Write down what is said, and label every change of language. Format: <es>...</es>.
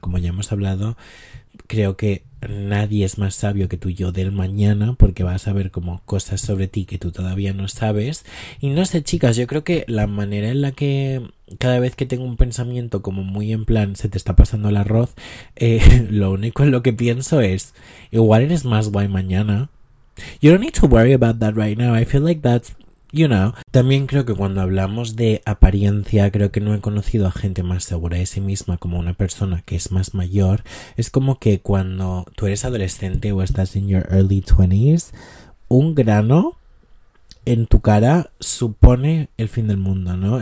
<es>Como ya hemos hablado, creo que nadie es más sabio que tu yo del mañana porque va a saber como cosas sobre ti que tú todavía no sabes. Y no sé, chicas, yo creo que la manera en la que cada vez que tengo un pensamiento como muy en plan se te está pasando el arroz, lo único en lo que pienso es igual eres más guay mañana.</es> <en>You don't need to worry about that right now. I feel like that's. You know.</en> <es>También creo que cuando hablamos de apariencia, creo que no he conocido a gente más segura de sí misma como una persona que es más mayor. Es como que cuando tú eres adolescente o estás en</es> <en>your early 20s,</en> <es>un grano en tu cara supone el fin del mundo, ¿no?</es>